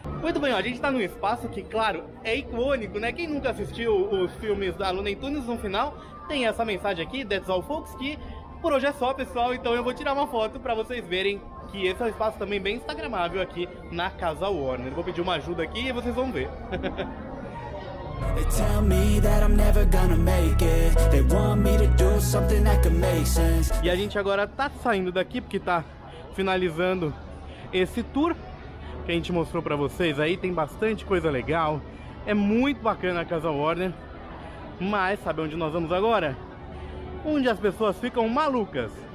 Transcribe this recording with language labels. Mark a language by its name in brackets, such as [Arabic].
[Portuguese] Muito bem, ó, a gente tá num espaço que, claro, é icônico, né? Quem nunca assistiu os filmes da Looney Tunes no final, tem essa mensagem aqui, That's All Folks, que por hoje é só, pessoal. Então eu vou tirar uma foto pra vocês verem que esse é um espaço também bem instagramável aqui na Casa Warner. Vou pedir uma ajuda aqui e vocês vão ver. [English] They tell me that I'm never gonna make it. They want me to do something that could make sense. [Portuguese] E a gente agora tá saindo daqui porque tá finalizando esse tour que a gente mostrou pra vocês aí. Tem bastante coisa legal. É muito bacana a Casa Warner. Mas sabe onde nós vamos agora? Onde as pessoas ficam malucas.